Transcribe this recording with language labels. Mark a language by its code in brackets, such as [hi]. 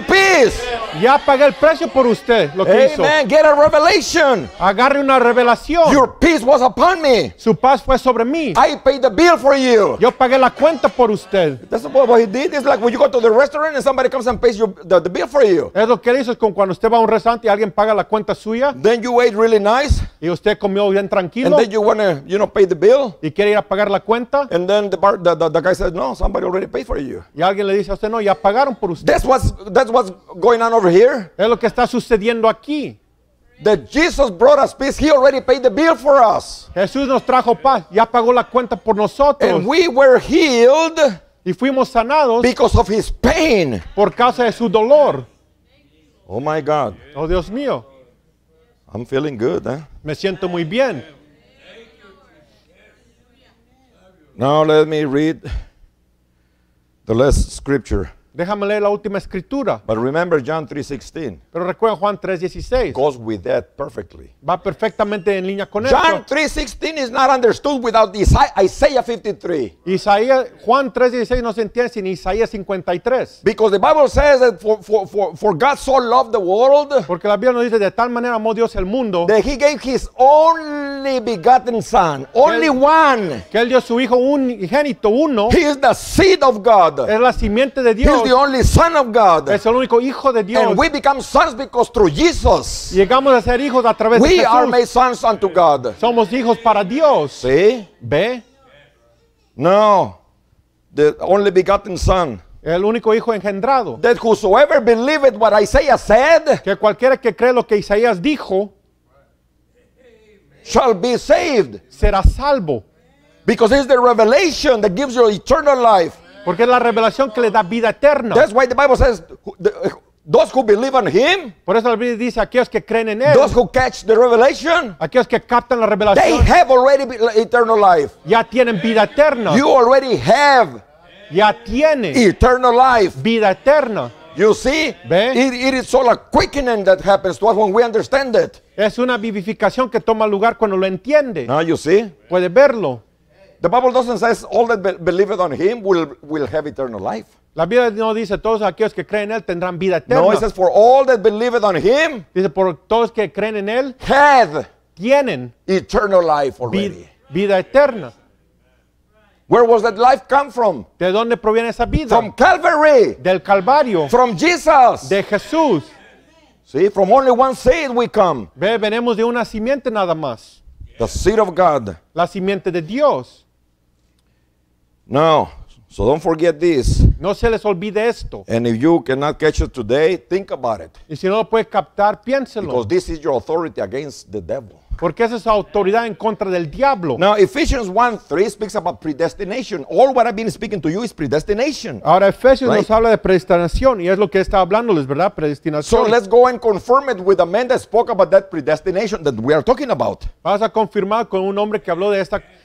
[en] Peace. [es] Ya pagué el precio por usted. Lo que [en] amen. [es] Hizo. [en] Amen. Get a revelation. [es] Agarre una revelación. [en] Your peace was upon me. [es] Su paz fue sobre mí. [en] I paid the bill for you. [es] Yo pagué la cuenta por usted. [en] That's what he did. It's like when you go to the restaurant and somebody comes and pays you the bill for you. [es] Es lo que dice, es como cuando usted va a un restaurante y alguien paga la cuenta suya. [en] Then you ate really nice. [es] Y usted comió bien tranquilo. [en] And then you wanna, you know, pay the bill. [es] Y quiere ir a pagar la cuenta. [en] And then the guy says, no, somebody already paid for you. [es] Y alguien le dice a usted, no, ya pagaron por usted. [en] That's what's going on over here. [es] Es lo que está sucediendo aquí. [en] That Jesus brought us peace. He already paid the bill for us. [es] Jesús nos trajo paz. Ya pagó la cuenta por nosotros. [en] And we were healed. [es] Y fuimos sanados. [en] Because of his pain. [es] Por causa de su dolor. [en] Oh my God. [es] Oh Dios mío. [en] I'm feeling good, eh? [es] Me siento muy bien. [en] Now let me read the last scripture. [es] Déjame leer la última escritura. [en] But remember John 3:16. [es] Pero recuerda Juan 3:16. [en] Goes with that perfectly. [es] Va perfectamente en línea con eso. [en] John 3:16 is not understood without Isaiah 53. [es] Isaías Juan 3:16 no se entiende sin Isaías 53. [en] Because the Bible says that for God so loved the world. [es] Porque la Biblia nos dice de tal manera amó Dios el mundo. [en] That he gave his only begotten son, only one. [es] Que él dio su hijo unigénito uno. [en] He is the seed of God. [es] Es la simiente de Dios. [en] He is the only son of God. [es] Es el único hijo de Dios. [en] And we become sons because through Jesus. [es] Llegamos a ser hijos a través [en] we [es] de Jesús. [en] We are made sons unto God. [es] Somos hijos para Dios. ¿Sí? ¿Ve? [en] No. The only begotten son. [es] El único hijo engendrado. [en] That whosoever believed what Isaiah said. [es] Que cualquiera que cree lo que Isaías dijo. [en] Shall be saved. [es] Será salvo. [en] Because it's the revelation that gives you eternal life. [es] Porque es la revelación que le da vida eterna. [en] That's why the Bible says those who believe on him. [es] Por eso la Biblia dice aquellos que creen en él. [en] Those who catch the revelation. [es] Aquellos que captan la revelación. [en] They have already eternal life. [es] Ya tienen vida eterna. [en] You already have. [es] Ya tienen. [en] Eternal life. [es] Vida eterna. [en] You see? [es] ¿Ve? [en] It is all a quickening that happens to us when we understand it. [es] Es una vivificación que toma lugar cuando lo entiende. [en] Now you see? [es] Puede verlo. [en] The Bible doesn't say all that believeth on him will have eternal life. [es] La Biblia no dice todos aquellos que creen en él tendrán vida eterna. [en] No, it says for all that believeth on him. [es] Dice por todos que creen en él. [en] Have. [es] Tienen. [en] Eternal life already. [es] Vida eterna. [en] Where was that life come from? [es] ¿De dónde proviene esa vida? [en] From Calvary. [es] Del Calvario. [en] From Jesus. [es] De Jesús. [en] See, from only one seed we come. [es] Ve, venimos de una simiente nada más. [en] The seed of God. [es] La simiente de Dios. [en] No, so don't forget this. [es] No se les olvide esto. [en] And if you cannot catch it today, think about it. [es] Y si no lo puede captar, piénselo. [en] Because this is your authority against the devil. [es] Porque esa es su autoridad en contra del diablo. [en] Now, Ephesians 1:3 speaks about predestination. All what I've been speaking to you is predestination. [es] Ahora, Efesios [en] right? [es] Nos habla de predestinación. Y es lo que está hablándoles, ¿verdad? Predestinación. [en] So, let's go and confirm it with a man that spoke about that predestination that we are talking about. [es] Vamos a confirmar con un hombre que habló de esta...